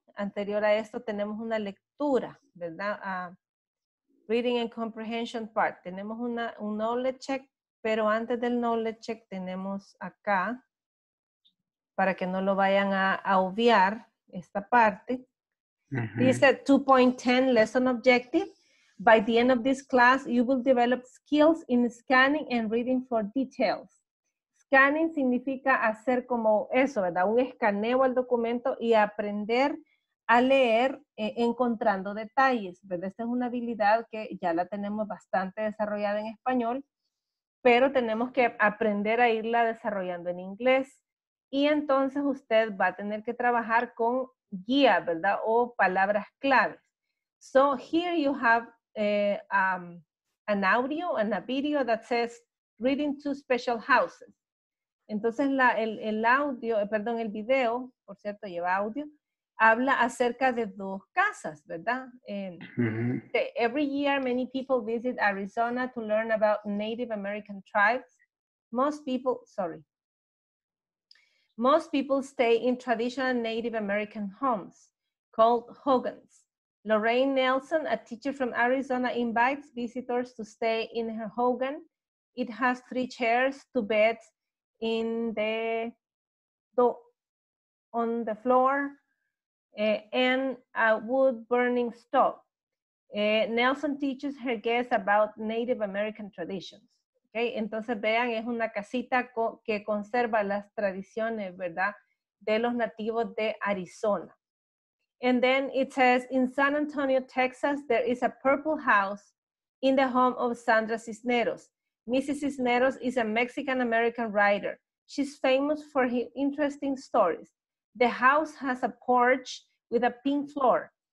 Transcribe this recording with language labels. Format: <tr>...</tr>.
<es>Anterior a esto tenemos una lectura, ¿verdad?</es> <en>Reading and comprehension part.</en> <es>Tenemos un knowledge check, pero antes del knowledge check tenemos acá, para que no lo vayan a obviar, esta parte. Dice 2.10 lesson objective.</es> <en>By the end of this class, you will develop skills in scanning and reading for details.</en> <es>Scanning significa hacer como eso, ¿verdad? Un escaneo al documento y aprender a leer encontrando detalles, ¿verdad? Esta es una habilidad que ya la tenemos bastante desarrollada en español, pero tenemos que aprender a irla desarrollando en inglés. Y entonces usted va a tener que trabajar con guía, ¿verdad? O palabras claves.</es> <en>So here you have an audio and a video that says reading two special houses.</en> <es>Entonces el video, por cierto, lleva audio, habla acerca de dos casas, ¿verdad?</es> <en>Every year, many people visit Arizona to learn about Native American tribes. Most people stay in traditional Native American homes called hogans. Lorraine Nelson, a teacher from Arizona, invites visitors to stay in her hogan. It has three chairs, two beds in on the floor, and a wood burning stove. Nelson teaches her guests about Native American traditions.</en> <es>Okay, entonces vean, es una casita que conserva las tradiciones, ¿verdad?, de los nativos de Arizona.</es> <en>And then it says, in San Antonio, Texas, there is a purple house in the home of Sandra Cisneros. Mrs. Cisneros is a Mexican-American writer. She's famous for her interesting stories. The house has a porch with a pink floor.</en>